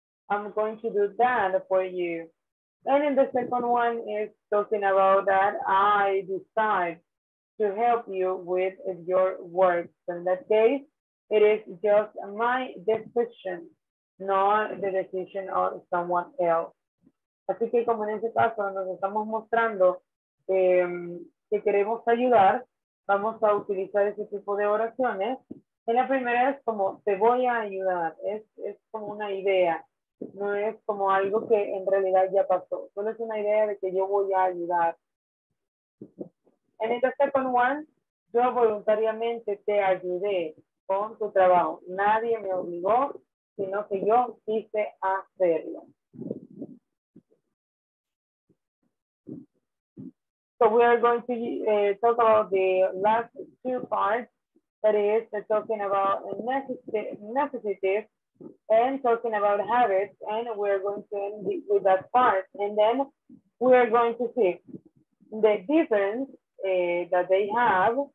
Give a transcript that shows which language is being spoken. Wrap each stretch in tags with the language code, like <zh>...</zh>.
<en>I'm going to do that for you. And in the second one is talking about that I decide to help you with your work. So in that case, it is just my decision, not the decision of someone else.</en> <es>Así que como en ese caso nos estamos mostrando que queremos ayudar, vamos a utilizar ese tipo de oraciones. En la primera es como te voy a ayudar, es como una idea. No es como algo que en realidad ya pasó. Solo es una idea de que yo voy a ayudar.</es> <en>And in the second one,</en> <es>yo voluntariamente te ayudé con tu trabajo. Nadie me obligó, sino que yo quise hacerlo.</es> <en>So we are going to talk about the last two parts. That is, talking about necessities. And talking about habits, and we're going to end with that part. And then we're going to see the difference that they have.</en>